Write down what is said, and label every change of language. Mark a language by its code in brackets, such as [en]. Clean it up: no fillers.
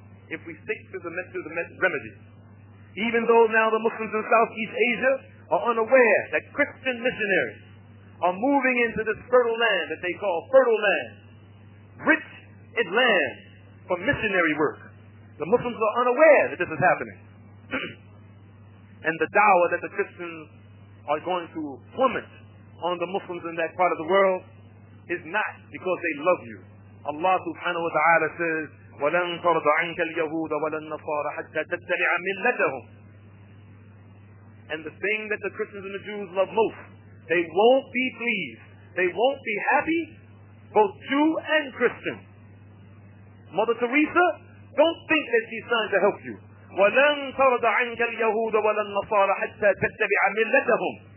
[en] if we stick to the remedy. Even though now the Muslims in Southeast Asia are unaware that Christian missionaries are moving into this fertile land that they call fertile land, rich in land for missionary work. The Muslims are unaware that this is happening. And the dawah that the Christians are going to plummet on the Muslims in that part of the world is not because they love you. Allah subhanahu wa ta'ala says, [ar] وَلَنْ تَرْضَ عَنْكَ الْيَهُودَ وَلَنْ نَصَارَ حَتَّى تَتَّبِعَ مِلَّتَهُمْ. [en] And the thing that the Christians and the Jews love most, they won't be pleased. They won't be happy, both Jew and Christian. Mother Teresa, don't think that she's trying to help you. [ar] وَلَنْ تَرْضَ عَنْكَ الْيَهُودَ وَلَنْ نَصَارَ حَتَّى تَتَّبِعَ مِلَّتَهُمْ.